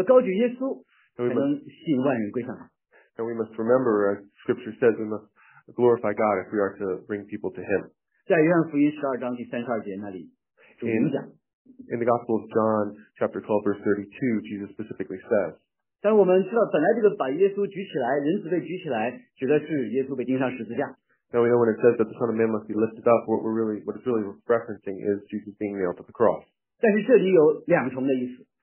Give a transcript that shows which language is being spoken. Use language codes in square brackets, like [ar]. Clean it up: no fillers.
[zh] 求神帮助我们，千万要记得圣经当中告诉我们要高举耶稣，才能吸引万人归向他。 [en] And we must remember, as Scripture says, we must glorify God if we are to bring people to Him. [zh] 在约翰福音12章第32节那里。 [en] In the Gospel of John, chapter 12, verse 32, Jesus specifically says, [zh] 但我们知道本来这个把耶稣举起来，人子被举起来，指的是耶稣被钉上十字架。 [en] Now we know when it says that the Son of Man must be lifted up, what it's really referencing is Jesus being nailed to the cross. [zh] 但是这里有两重的意思。